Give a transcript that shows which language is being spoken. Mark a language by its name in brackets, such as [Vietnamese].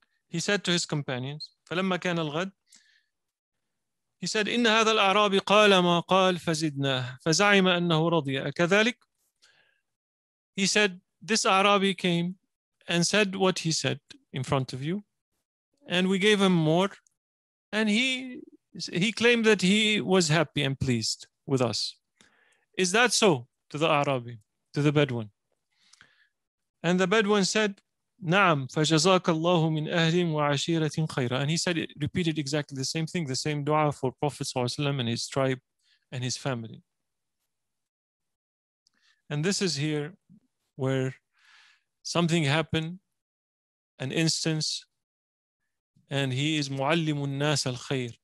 [English] his companions, [Arabic] فَلَمَّا كَانَ الْغَدْ [English] He said, [Arabic] إِنَّ هَذَا الْأَعْرَابِ قَالَ مَا قَالَ فَزِدْنَاهُ فَزَعِمَ أَنَّهُ رَضِيَ كَذَلِكَ [English] He said, this Arabi came and said what he said in front of you, and we gave him more, and he claimed that he was happy and pleased with us. Is that so to the Arabi, to the Bedouin? And the Bedouin said, [Arabic] نعم فجزاك الله من أهل وعشيرة خيرا. [English] And he said, repeated exactly the same thing, the same dua for Prophet ﷺ and his tribe and his family. And this is here where something happened, an instance, and he is [Arabic] معلم الناس الخير.